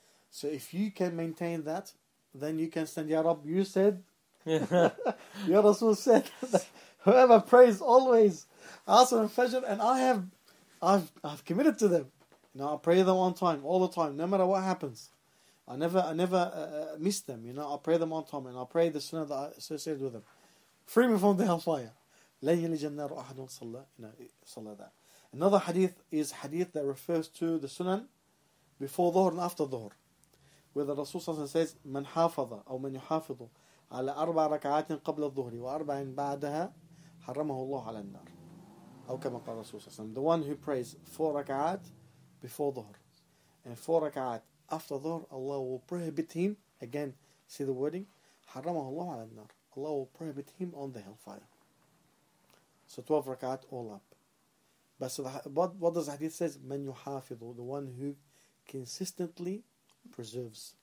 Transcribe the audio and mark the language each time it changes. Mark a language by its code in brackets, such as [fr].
[en] So if you can maintain that, then you can stand, Ya Rab, you said, Ya Rasul said, whoever prays always, Asr and Fajr, and I've committed to them. You know, I pray them on time, all the time, no matter what happens. I never miss them. You know, I pray them on time, and I pray the sunnah that I associated with them. Free me from the hellfire. [ar] لَنْ يَلِجَ النَّارُ أَحَدٌ صَلَّى [en] that. Another hadith is hadith that refers to the sunan before dhuhr and after dhuhr. Where the Rasul says, [ar] مَنْ حَافَظَ أَوْ مَنْ يُحَافِظُ عَلَى أَرْبَعَ رَكَعَاتٍ قَبْلَ الظُّهْرِ وَأَرْبَعٍ بَعْدَهَا حَرَّمَهُ اللَّهُ عَلَى النَّارِ أَوْ كَمَا قَالَ رَسُولُ صَلَّى اللَّهُ عَلَيْهِ وَسَلَّمَ. [en] The one who prays four rak'at before dhuhr and four rak'at after dhuhr, Allah will prohibit him. Again, see the wording. [ar] حَرَّمَهُ اللَّهُ عَلَى النَّارِ. [en] Allah will prohibit him on the hellfire. So 12 rak'at all up. But so what does the hadith say? [ar] Man yuhafidhu, [en] the one who consistently preserves.